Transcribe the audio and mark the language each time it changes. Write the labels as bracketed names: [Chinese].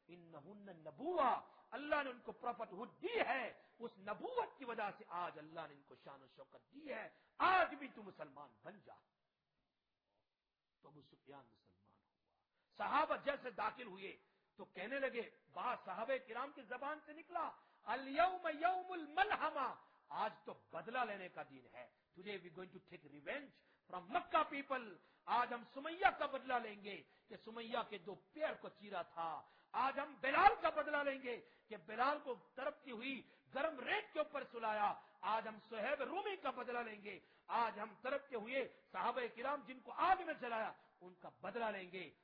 [Urdu] انہن نبوہ, اللہ نے ان کو پروفٹ ہڈ دی ہے, اس نبوت کی وجہ سے آج اللہ نے ان کو شان و شوکت دی ہے. آج بھی تو مسلمان بن جا. تو ابو سفیان مسلمان ہوا. صحابہ جیسے داخل ہوئے تو کہنے لگے, بات صحابہ کرام کی زبان سے نکلا, [Arabic] الیوم یوم الملحمہ, [Urdu] آج تو بدلہ لینے کا دن ہے. [English] Today we're going to take revenge from Makkah people. [Urdu] آج ہم سمیہ کا بدلہ لیں گے کہ سمیہ کے دو پیر کو چیرا تھا. آج ہم بلال کا بدلہ لیں گے کہ بلال کو تڑپتی ہوئی گرم ریت کے اوپر سلایا. آج ہم صہیب رومی کا بدلہ لیں گے. آج ہم تڑپتے ہوئے صحابہ کرام جن کو آگ میں جلایا ان کا بدلہ لیں گے.